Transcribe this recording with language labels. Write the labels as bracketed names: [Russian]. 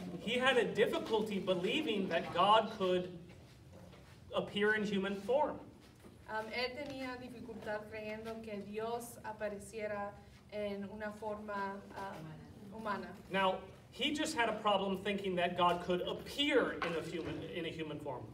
[English] He had a difficulty believing that God could appear in human form. [Spanish] Él tenía dificultad creyendo que Dios apareciera en una forma humana. [English] Now, he just had a problem thinking that God could appear in a human form.